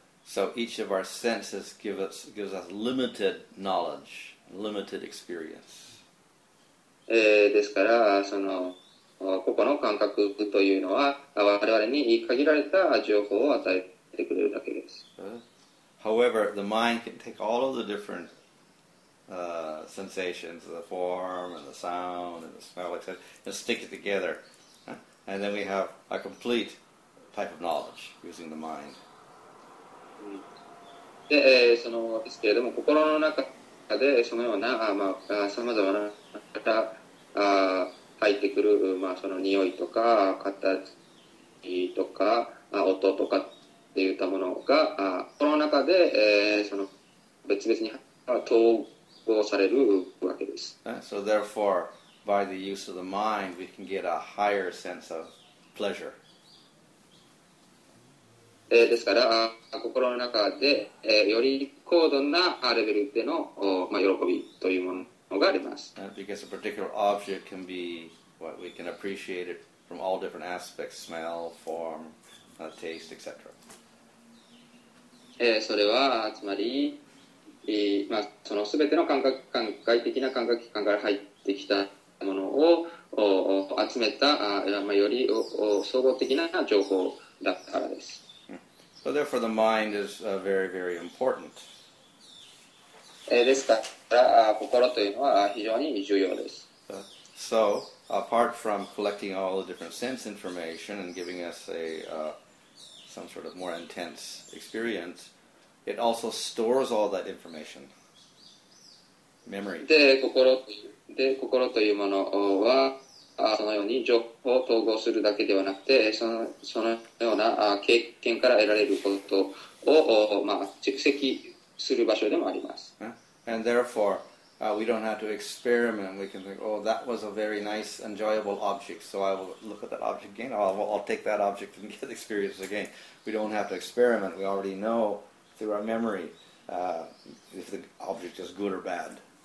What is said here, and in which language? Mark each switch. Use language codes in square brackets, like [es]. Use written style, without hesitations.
[en] So each of our senses gives us limited knowledge, limited experience. [ja] ですから、そのここの感覚というのは我々に限られた情報を与えてくれるだけです。 [en] However, the mind can take all of the different sensations, the form and the sound and the smell, etc., and stick it together. And then we have a complete type of knowledge using the mind. [ja] で、そのですけれども、心の中でそのような、まあ、さまざまな方が入ってくる、まあ、その匂いとか形とか、まあ、音とかっていったものが心の中で、その別々に統合されるわけです。 [en] So therefore, by the use of the mind, we can get a higher sense of pleasure. [ja] ですから心の中で、より高度なレベルでの、まあ、喜びというものがあります。 [en] Because a particular object can be what we can appreciate it from all different aspects, smell, form, taste, etc. [ja] それはつまり、まあ、その全ての感覚、感外的な感覚器官から入ってきたものを集めた、まあ、より総合的な情報だからです。 [en] So therefore the mind is very, very important. [ja] ですから、心というのは非常に重要です。 [en] So, apart from collecting all the different sense information and giving us a, some sort of more intense experience, it also stores all that information. Memory. [ja] で、心というものは、そのように情報を統合するだけではなくて、そのような経験から得られることを、まあ、蓄積する場所でもあります。 [en] And therefore, we don't have to experiment. We can think, oh, that was a very nice, enjoyable object. So I will look at that object again. I'll take that object and get the experience again. We don't have to experiment. We already know through our memory, if the object is good or bad.